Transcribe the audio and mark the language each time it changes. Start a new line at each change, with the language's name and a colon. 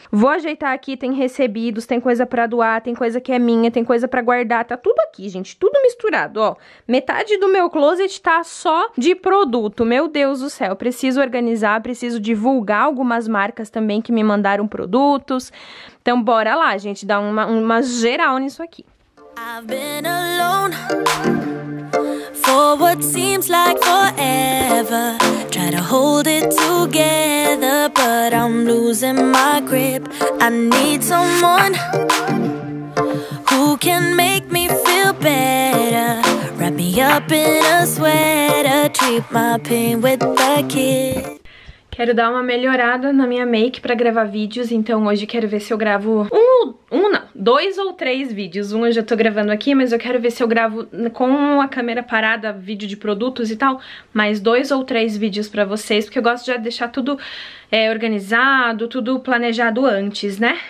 Portuguese: Vou ajeitar aqui, tem recebidos, tem coisa pra doar, tem coisa que é minha, tem coisa pra guardar, tá tudo aqui, gente, tudo misturado, ó. Metade do meu closet tá só de produto, meu Deus do céu. Preciso organizar, preciso divulgar algumas marcas também que me mandaram produtos. Então bora lá, gente, dar uma geral nisso aqui.
English: I've been alone for what seems like forever. Try to hold it together, but I'm losing my grip. I need someone who can make me feel better. Wrap me up in a sweater, treat my pain with the kiss.
Portuguese: Quero dar uma melhorada na minha make pra gravar vídeos, então hoje quero ver se eu gravo dois ou três vídeos. Um eu já tô gravando aqui, mas eu quero ver se eu gravo com a câmera parada, vídeo de produtos e tal, mais dois ou três vídeos pra vocês, porque eu gosto de deixar tudo organizado, tudo planejado antes, né?